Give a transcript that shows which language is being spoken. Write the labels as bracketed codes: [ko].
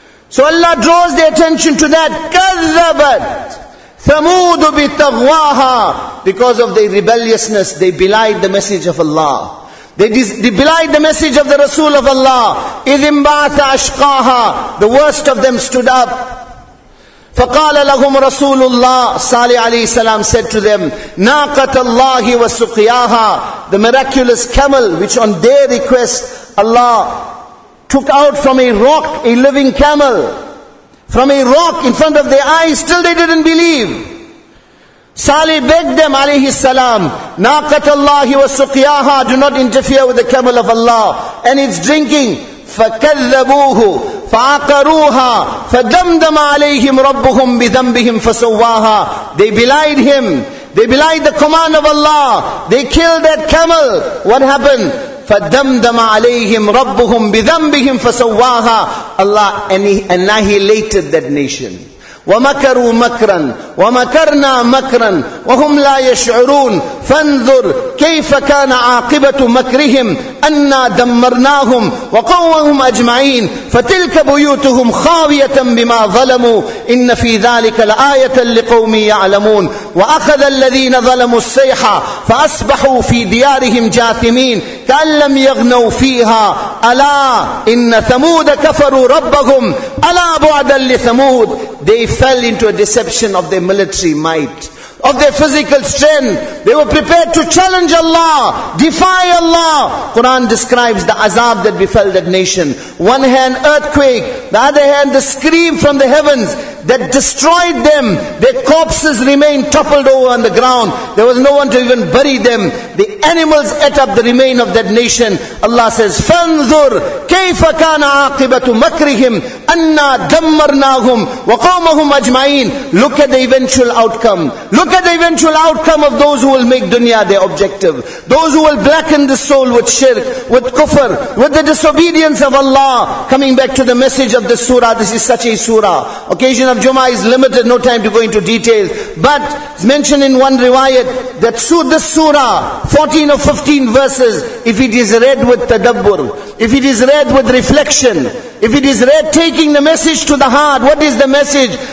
[en] So Allah draws their attention to that. [ar] كَذَّبَتْ ثَمُودُ بِتَغْوَاهَا. [en] Because of their rebelliousness, they belied the message of Allah. They belied the message of the Rasul of Allah. [ar] إِذْ إِمْبَعْثَ أَشْقَاهَا. [en] The worst of them stood up. [ar] فَقَالَ لَهُمْ رَسُولُ اللَّهِ صَالِحَ عَلَيْهِ السَّلَامُ [en] said to them, [ar] نَاقَةَ اللَّهِ وَسُقْيَاهَا. [en] The miraculous camel which on their request Allah took out from a rock, a living camel, from a rock in front of their eyes, still they didn't believe. Salih begged them, alayhi salam, [ar] naqatallahi wa suqiyaha, [en] do not interfere with the camel of Allah and its drinking. [ar] فَكَذَّبُوهُ فَعَقَرُوهَا فَدَمْدَمَ عَلَيْهِمْ رَبُّهُمْ بِذَنْبِهِمْ فَسَوَّاهَا. [en] They belied him. They belied the command of Allah. They killed that camel. What happened? [ar] فَدَمْدَمَ عَلَيْهِمْ رَبُّهُمْ بِذَنْبِهِمْ فَسَوَّاهَا. [en] Allah annihilated that nation. [ar] وَمَكَرُوا مَكْرًا وَمَكَرْنَا مَكْرًا وَهُمْ لَا يَشْعُرُونَ فَانْظُرْ كَيْفَ كَانَ عَاقِبَةُ مَكْرِهِمْ أَنَّا دَمَّرْنَاهُمْ وَقَوَّهُمْ أَجْمَعِينَ فَتِلْكَ بُيُوتُهُمْ خَاوِيَةً بِمَا ظَلَمُوا إِنَّ فِي ذَلِكَ لَآيَةً لِقَوْمٍ يَعْلَمُونَ وَأَخَذَ الَّذِينَ ظَلَمُوا الصَّيْحَةَ فَأَصْبَحُوا فِي دِيَارِهِمْ جَاثِمِينَ كَأَن لَّمْ يَغْنَوْا فِيهَا أَلَا إِنَّ ثَمُودَ كَفَرُوا رَبَّهُمْ أَلَا بُعْدًا لِثَمُودَ. [en] They fell into a deception of their military might, of their physical strength. They were prepared to challenge Allah, defy Allah. Quran describes the azab that befell that nation. One hand earthquake, the other hand the scream from the heavens that destroyed them. Their corpses remained toppled over on the ground. There was no one to even bury them. The animals ate up the remain of that nation. Allah says, [ar] فَانْظُرْ كَيْفَ كَانَ عَاقِبَةُ مَكْرِهِمْ أَنَّا دَمَّرْنَاهُمْ وَقَوْمَهُمْ أَجْمَعِينَ. [en] Look at the eventual outcome. Look at the eventual outcome of those who will make dunya their objective. Those who will blacken the soul with shirk, with kufr, with the disobedience of Allah. Coming back to the message of this surah, this is such a surah. Occasion of Jummah is limited, no time to go into details. But it's mentioned in one riwayat that this surah, 14 or 15 verses, if it is read with tadabbur, if it is read with reflection, if it is read taking the message to the heart, what is the message?